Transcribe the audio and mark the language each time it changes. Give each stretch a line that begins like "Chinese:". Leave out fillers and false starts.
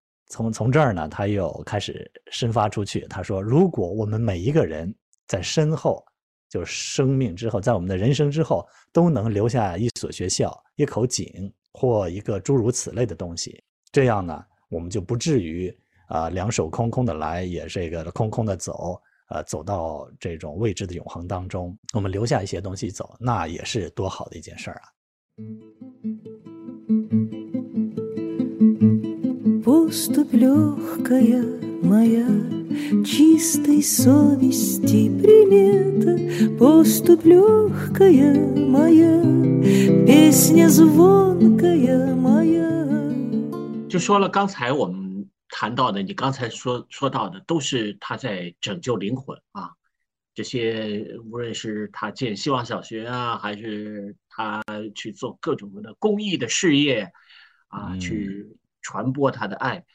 Chinese: 从这儿呢，他又开始深发出去，他说如果我们每一个人在身后，就是生命之后，在我们的人生之后，都能留下一所学校、一口井或一个诸如此类的东西，这样呢，我们就不至于两手空空的来，也这个空空的走，走到这种未知的永恒当中，我们留下一些东西走，那也是多好的一件事儿啊。
Russian: Поступь легкая моя, чистой совести примета. Поступь легкая моя, песня звонкая моя.
Chinese: 就说了刚才我们谈到的，你刚才说到的，都是他在拯救灵魂啊。这些无论是他建希望小学啊，还是他去做各种的公益的事业啊，去传播他的爱。